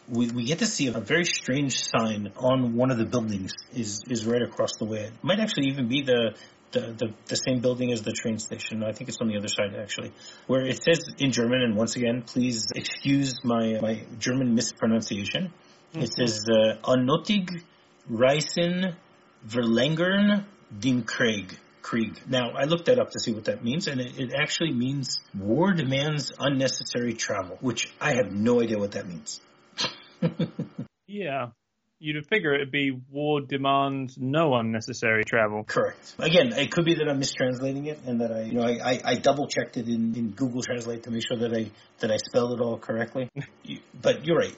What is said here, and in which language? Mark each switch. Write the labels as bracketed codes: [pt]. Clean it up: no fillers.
[en] We get to see a very strange sign on one of the buildings is right across the way. It might actually even be the same building as the train station. I think it's on the other side, actually, where it says in German, and once again, please excuse my German mispronunciation. Mm-hmm. It says [de] Unnötig Reisen Verlängern den Krieg. [en] Now, I looked that up to see what that means, and it actually means war demands unnecessary travel, which I have no idea what that means. Yeah. You'd figure it'd be war demands no unnecessary travel. Correct. Again, it could be that I'm mistranslating it and that I double checked it in Google Translate to make sure that I spelled it all correctly. But you're right.